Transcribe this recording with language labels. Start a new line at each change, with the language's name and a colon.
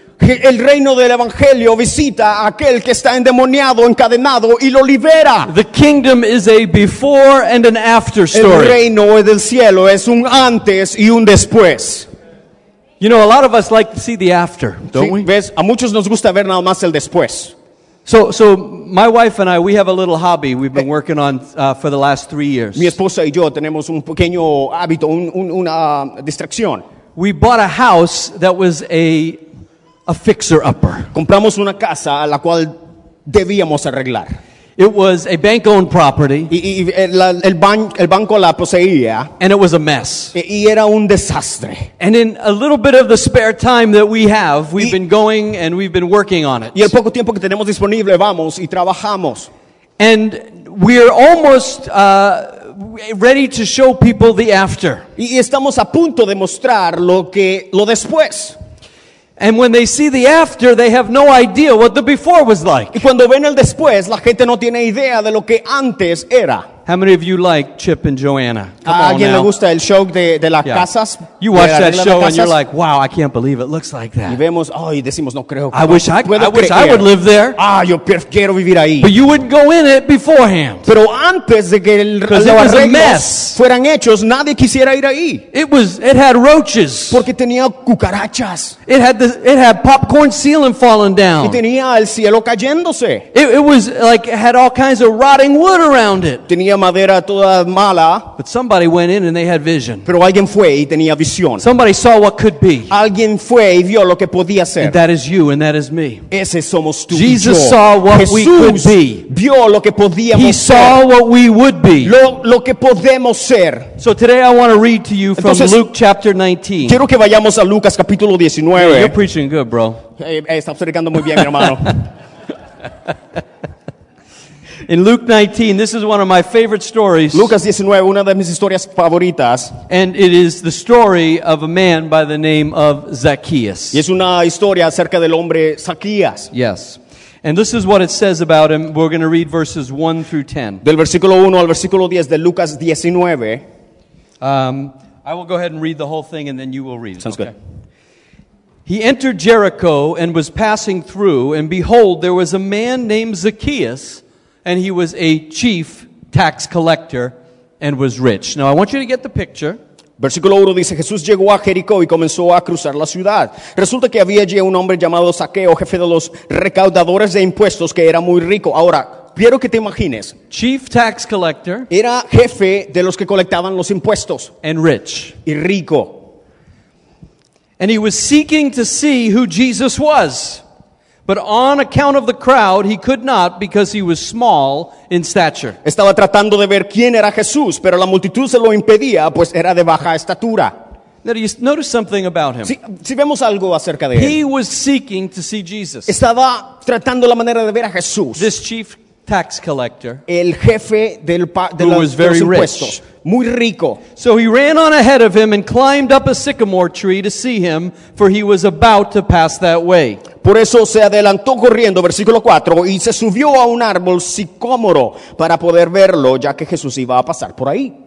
Spanish: El reino del evangelio visita a aquel que está endemoniado, encadenado, y lo libera.
English: The kingdom is a before and an after story.
Spanish: El reino del cielo es un antes y un después.
English: You know, a lot of us like to see the after, don't we?
Spanish: ¿Ves? A muchos nos gusta ver nada más el después.
English: So my wife and I, we have a little hobby we've been working on for the last 3 years.
Spanish: Mi esposa y yo tenemos un pequeño hábito, una distracción.
English: We bought a house that was a fixer-upper.
Spanish: Compramos una casa a la cual debíamos arreglar.
English: It was a bank-owned property.
Spanish: El banco la poseía.
English: And it was a mess.
Spanish: Y era un desastre.
English: And in a little bit of the spare time that we have, we've been going and we've been working on it.
Spanish: Y el poco tiempo que tenemos disponible, vamos y trabajamos.
English: And we're almost ready to show people the after.
Spanish: Y estamos a punto de mostrar lo después.
English: And when they see the after, they have no idea what the before was like.
Spanish: Y cuando ven el después, la gente no tiene idea de lo que antes era.
English: How many of you like Chip and Joanna?
Spanish: ¿Alguien le gusta el show de las casas?
English: You watch that show and you're like, wow, I can't believe it looks like that.
Spanish: Y vemos, y decimos, no creo.
English: I wish I would live there.
Spanish: Yo quiero vivir ahí.
English: But you wouldn't go in it beforehand.
Spanish: Pero antes de que los arreglos fueran hechos, nadie quisiera ir ahí.
English: It had roaches.
Spanish: Porque tenía cucarachas.
English: It had popcorn ceiling falling down.
Spanish: Y tenía el cielo cayéndose.
English: It was like it had all kinds of rotting wood around it.
Spanish: Tenía madera toda mala.
English: But somebody went in and they had vision.
Spanish: Pero alguien fue y tenía visión.
English: Somebody saw what could be.
Spanish: Alguien fue y vio lo que podía ser.
English: And that is you and that is me.
Spanish: Ese somos tú.
English: Jesus
Spanish: y yo.
English: Saw what
Spanish: Jesús
English: we could be.
Spanish: Vio lo que podíamos
English: he
Spanish: ser.
English: Saw what we would be.
Spanish: Lo que podemos ser.
English: So today I want to read to you from
Spanish: entonces,
English: Luke chapter 19.
Spanish: Quiero que vayamos a Lucas capítulo 19.
English: Yeah, you're preaching good, bro.
Spanish: Hey, estás predicando muy bien, mi hermano.
English: In Luke 19, this is one of my favorite stories.
Spanish: Lucas 19, una de mis historias favoritas.
English: And it is the story of a man by the name of Zacchaeus.
Spanish: Y es una historia acerca del hombre Zacchaeus.
English: Yes. And this is what it says about him. We're going to read verses 1 through 10. Del versículo 1 al versículo 10 de Lucas 19. I will go ahead and read the whole thing and then you will read it. Sounds good. He entered Jericho and was passing through, and behold, there was a man named Zacchaeus, and he was a chief tax collector and was rich. Now I want you to get the picture.
Spanish: Versículo 1 dice, Jesús llegó a Jericó y comenzó a cruzar la ciudad. Resulta que había allí un hombre llamado Zaqueo, jefe de los recaudadores de impuestos, que era muy rico. Ahora, quiero que te imagines.
English: Chief tax collector.
Spanish: Era jefe de los que colectaban los impuestos.
English: And rich.
Spanish: Y rico.
English: And he was seeking to see who Jesus was. But on account of the crowd, he could not because he was small in stature.
Spanish: Estaba tratando de ver quién era Jesús, pero la multitud se lo impedía, pues era de baja estatura.
English: Now, do you notice something about him?
Spanish: Si vemos algo acerca de
English: él. He was seeking to see Jesus.
Spanish: Estaba tratando la manera de ver a Jesús. This chief tax collector. El jefe del de los impuestos. Muy rico.
English: So he ran on ahead of him and climbed up a sycamore tree to see him, for he was about to pass that way.
Spanish: Por eso se adelantó corriendo, versículo 4, y se subió a un árbol sicómoro para poder verlo, ya que Jesús iba a pasar por ahí.